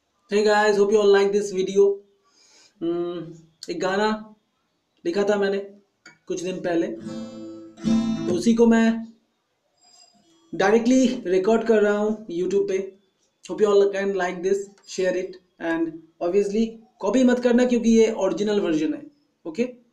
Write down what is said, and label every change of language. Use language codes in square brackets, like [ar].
[en] Hey guys, hope you all like this video. [hi] एक गाना लिखा था मैंने कुछ दिन पहले, तो उसी को मैं डायरेक्टली रिकॉर्ड कर रहा हूँ यूट्यूब पे. [en] hope you all can like this, share it, and obviously copy [hi] मत करना क्योंकि ये ओरिजिनल वर्जन है. [en] okay